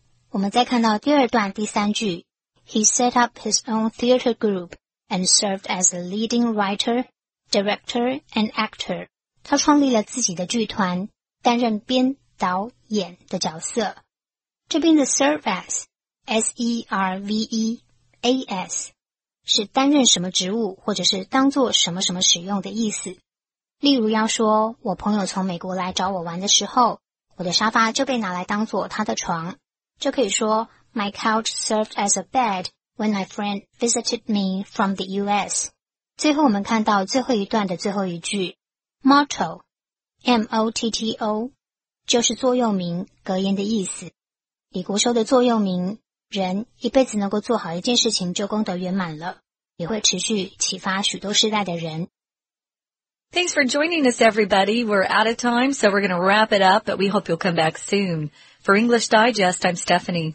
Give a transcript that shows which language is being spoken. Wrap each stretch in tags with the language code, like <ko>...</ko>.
<zh>我们再看到第二段第三句，</zh> <en>He set up his own theater group and served as a leading writer, director, and actor.</en> <zh>他创立了自己的剧团，担任编、导、演的角色。这边的 serve as, S-E-R-V-E-A-S, 是担任什么职务或者是当作什么什么使用的意思。例如要说，我朋友从美国来找我玩的时候，我的沙发就被拿来当作他的床，就可以说</zh> <en>My couch served as a bed when my friend visited me from the U.S.</en> <zh>最后我们看到最后一段的最后一句 Motto M-O-T-T-O 就是座右铭格言的意思。李国修的座右铭人一辈子能够做好一件事情就功德圆满了，也会持续启发许多世代的人。</zh> <en>Thanks for joining us, everybody. We're out of time, so we're going to wrap it up, but we hope you'll come back soon. For English Digest, I'm Stephanie.</en>